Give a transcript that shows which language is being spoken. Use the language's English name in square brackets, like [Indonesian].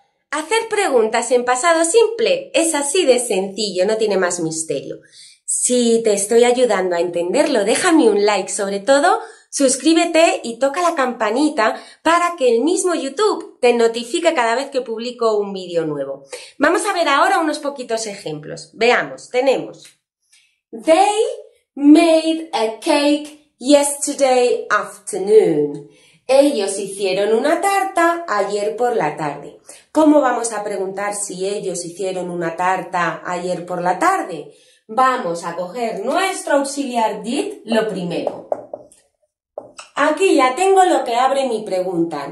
[Spanish] Hacer preguntas en pasado simple es así de sencillo, no tiene más misterio. Si te estoy ayudando a entenderlo, déjame un like, sobre todo suscríbete y toca la campanita para que el mismo YouTube te notifique cada vez que publico un vídeo nuevo. Vamos a ver ahora unos poquitos ejemplos. Veamos, tenemos. [English] They made a cake yesterday afternoon. [Spanish] Ellos hicieron una tarta ayer por la tarde. ¿Cómo vamos a preguntar si ellos hicieron una tarta ayer por la tarde? Vamos a coger nuestro auxiliar did lo primero. Aquí ya tengo lo que abre mi pregunta.